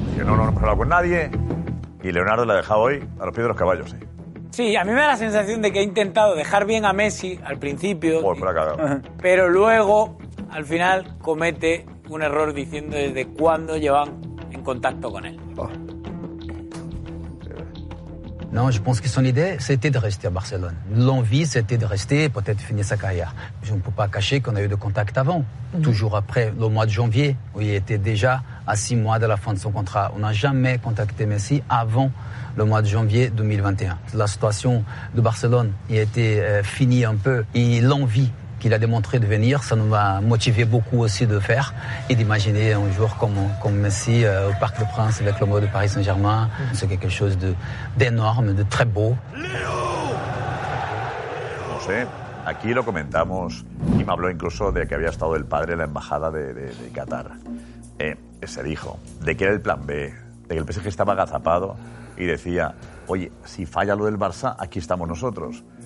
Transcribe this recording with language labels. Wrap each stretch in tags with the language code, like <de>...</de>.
<es>Dijo, no hemos hablado con nadie y Leonardo la ha dejado hoy a los pies de los caballos. Sí, a mí me da la sensación de que ha intentado dejar bien a Messi al principio. Por acá. Pero luego, al final, comete un error diciendo desde cuándo llevan en contacto con él.</es> <fr>Non, je pense que son idée, c'était de rester à Barcelone. L'envie, c'était de rester et peut-être finir sa carrière. Je ne peux pas cacher qu'on a eu de contact avant, toujours après le mois de janvier, où il était déjà à 6 mois de la fin de son contrat. On n'a jamais contacté Messi avant le mois de janvier 2021. La situation de Barcelone y était finie un peu et l'envie qu'il a démontré de venir, ça nous a motivé beaucoup aussi de faire et d'imaginer un jour comme Messi au Parc des Princes avec le mot de Paris Saint-Germain. C'est quelque chose d'énorme, de très beau.</fr> <es>No sé, aquí lo comentamos y me habló incluso de que había estado el padre en la embajada de Qatar. Se dijo de que era el plan B, de que el PSG estaba agazapado y decía, oye, si falla lo del Barça, aquí estamos nosotros.</es>